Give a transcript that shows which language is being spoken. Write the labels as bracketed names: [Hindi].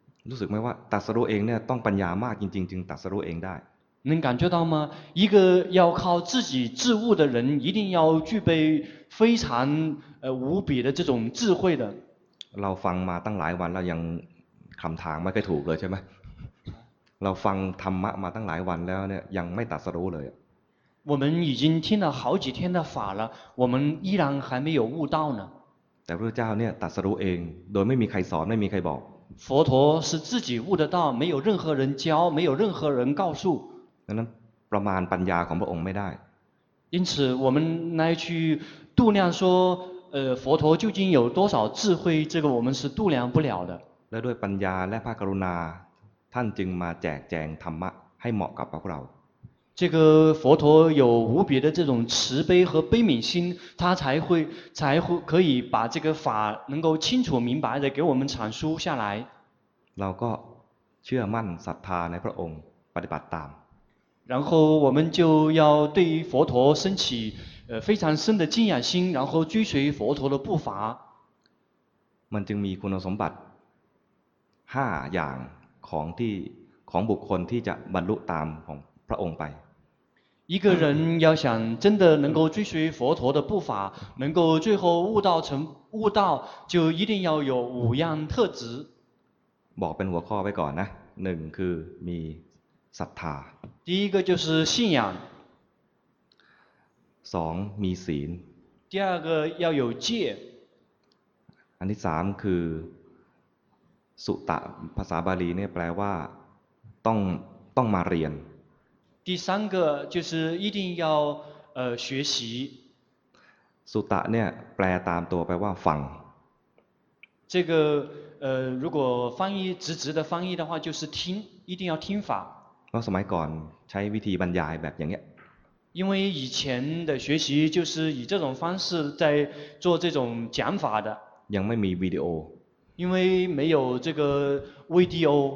[Thai] รู้สึกไหมว่าตรัสรู้เองเนี่ยต้องปัญญามากจริงๆจึงตรัสรู้เองได้ [Chinese] 。 能感觉到吗？一个要靠自己自悟的人，一定要具备非常无比的这种智慧的。 [Thai] เราฟังมาตั้งหลายวันแล้วยังคำทางไม่ค่อยถูกเลยใช่ไหมเราฟังธรรมะมาตั้งหลายวันแล้วเนี่ยยังไม่ตรัสรู้เลย [Chinese] 我们已经听了好几天的法了，我们依然还没有悟道呢。 [Thai] แต่พระเจ้าเนี่ยตรัสรู้เองโดยไม่มีใครสอนไม่มีใครบอก [Chinese] 佛陀是自己悟的道，没有任何人教，没有任何人告诉。 [Thai] ดังนั้นประมาณปัญญาของพระองค์ไม่ได้。 [Chinese] 因此我们来去度量说佛陀究竟有多少智慧，这个我们是度量不了的。 [Thai] และด้วยปัญญาและพระกรุณาท่านจึงมาแจกแจงธรรมะให้เหมาะกับพวกเรา [Chinese] 这个佛陀有无比的这种慈悲和悲悯心，他才会可以把这个法能够清楚明白的给我们阐述下来。 [Thai] เราก็เชื่อมั่นศรัทธาในพระองค์ปฏิบัติตาม [Chinese] 然后我们就要对于佛陀升起非常深的敬仰心，然后追随佛陀的步伐。 [Thai] มันจึงมีคุณสมบัติ5อย่างของบุคคลที่จะบรรลุตามของพระองค์ไป [Chinese] 一个人要想真的能够追随佛陀的步伐，能够最后悟道，就一定要有五样特质。 [Thai] บอกเป็นหัวข้อไว้ก่อนนะ1คือมีศรัทธา [Chinese] 第一个就是信仰。 [Thai] 2มีศีล [Chinese] 第二个要有戒。 [Thai] อันที่3คือสุตะภาษาบาลีเนี่ยแปลว่าต้องมาเรียน [Chinese] 第三个就是一定要学习 [Thai] สุตะเนี่ยแปลตามตัวแปลว่าฟัง [Chinese] 这个如果翻译直的翻译的话就是听一定要听法 [Thai] เราสมัยก่อนใช้วิธีบรรยายแบบอย่างเงี้ย [Chinese] 因为以前的学习就是以这种方式在做这种讲法的 [Thai] ยังไม่มีวิดีโอ [Chinese] 因为没有这个 video，